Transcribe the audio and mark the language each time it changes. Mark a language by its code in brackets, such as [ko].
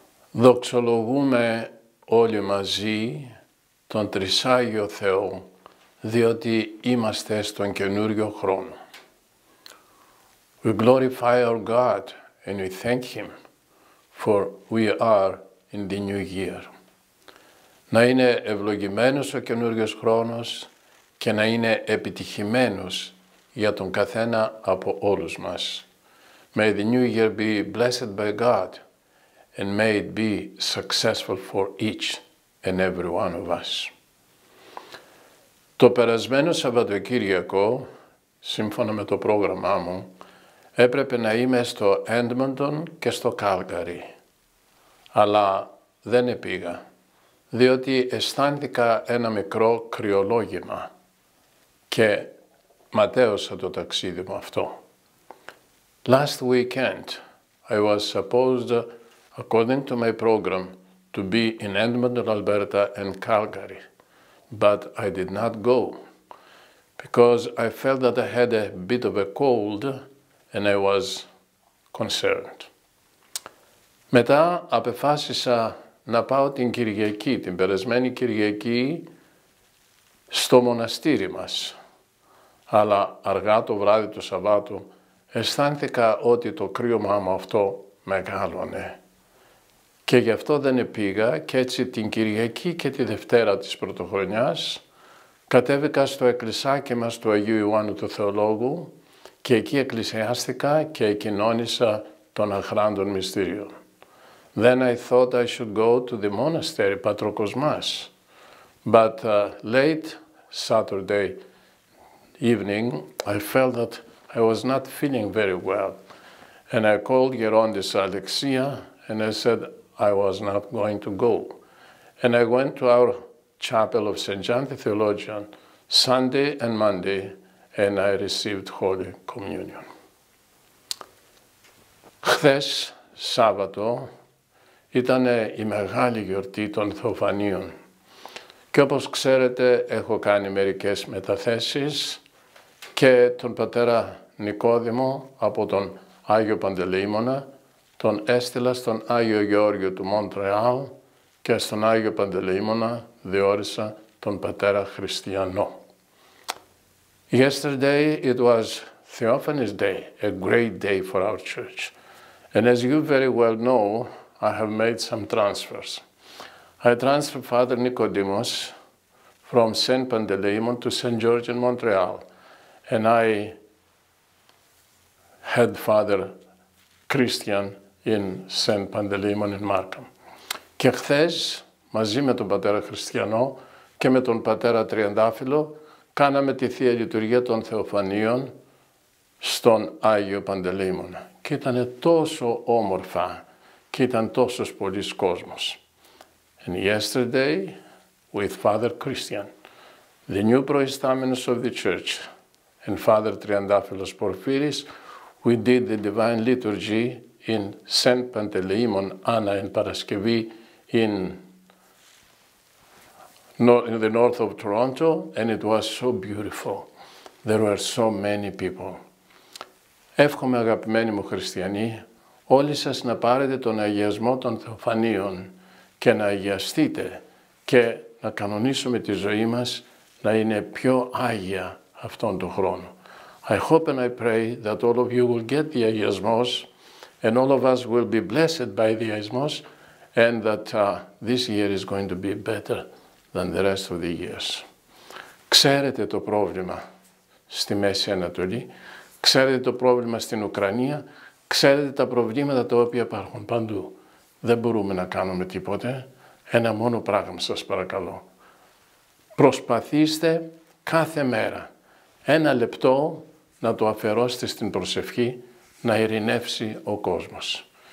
[el] Δοξολογούμε όλοι μαζί τον Τρισάγιο Θεό, διότι είμαστε στον καινούριο χρόνο. [en] We glorify our God and we thank Him, for we are in the new year. [el] Να είναι ευλογημένος ο καινούριος χρόνος και να είναι επιτυχημένος για τον καθένα από όλους μας. [en] May the new year be blessed by God and may it be successful for each and every one of us. [el] Το περασμένο Σαββατοκύριακο, σύμφωνα με το πρόγραμμά μου, έπρεπε να είμαι στο Edmonton και στο Calgary. Αλλά δεν επήγα, διότι αισθάνθηκα ένα μικρό κρυολόγημα και ματέωσα το ταξίδι μου αυτό. [en] Last weekend, I was supposed, according to my program, to be in Edmonton, Alberta and Calgary. But I did not go because I felt that I had a bit of a cold and I was concerned. [el] Μετά αποφάσισα να πάω την Κυριακή, την περασμένη Κυριακή, στο μοναστήρι μας. Αλλά αργά το βράδυ του Σαββάτου αισθάνθηκα ότι το κρύωμά μου αυτό μεγάλωνε. Και γι' αυτό δεν επήγα και έτσι την Κυριακή και τη Δευτέρα της Πρωτοχρονιάς κατέβηκα στο εκκλησάκι μας του Αγίου Ιωάννου του Θεολόγου και εκεί εκκλησιάστηκα και εκκοινώνησα των αχράντων μυστήριων. [en] Then I thought I should go to the monastery, Πατροκοσμάς. But late Saturday evening, I felt that I was not feeling very well. And I called Gerontis Alexia and I said I was not going to go. And I went to our chapel of St. John the Theologian Sunday and Monday and I received Holy Communion. [el] Χθες, Σάββατο, ήταν η μεγάλη γιορτή των Θεοφανίων. Και όπως ξέρετε, έχω κάνει μερικές μεταθέσεις και τον πατέρα Νικόδημο από τον Άγιο Παντελεήμονα τον έστειλα στον Άγιο Γεώργιο του Μοντρεάλ και στον Άγιο Παντελεήμονα διόρισα τον πατέρα Χριστιανό. [en] Yesterday it was Theophany's Day, a great day for our church. And as you very well know, I have made some transfers. I transferred Father Nicodemus from Saint Pantaleimon to Saint George in Montreal. And I had Father Christian in Saint Pantaleimon in Markham. [el] Και χθες, μαζί με τον πατέρα Χριστιανό και με τον πατέρα Τριαντάφυλλο, κάναμε τη Θεία Λειτουργία των Θεοφανίων στον Άγιο Παντελεήμον. Και ήταν τόσο όμορφα και ήταν τόσος πολλής κόσμος. [en] And yesterday, with Father Christian, the new προϊστάμενος of the Church, and Father Triandafilos Porphyris, we did the Divine Liturgy in Saint Panteleimon, Anna and Paraskevi, in the north of Toronto, and it was so beautiful. There were so many people. [el] Εύχομαι, αγαπημένοι μου χριστιανοί, όλοι σας να πάρετε τον αγιασμό των Θεοφανίων και να αγιαστείτε και να κανονίσουμε τη ζωή μας να είναι πιο άγια αυτόν τον χρόνο. [en] I hope and I pray that all of you will get the αγιασμός and all of us will be blessed by the αγιασμός and that this year is going to be better than the rest of the years. [el] Ξέρετε το πρόβλημα στη Μέση Ανατολή, ξέρετε το πρόβλημα στην Ουκρανία, ξέρετε τα προβλήματα τα οποία υπάρχουν παντού. Δεν μπορούμε να κάνουμε τίποτε. Ένα μόνο πράγμα σας παρακαλώ. Προσπαθήστε κάθε μέρα ένα λεπτό να το αφαιρώσετε στην προσευχή να ειρηνεύσει ο κόσμος.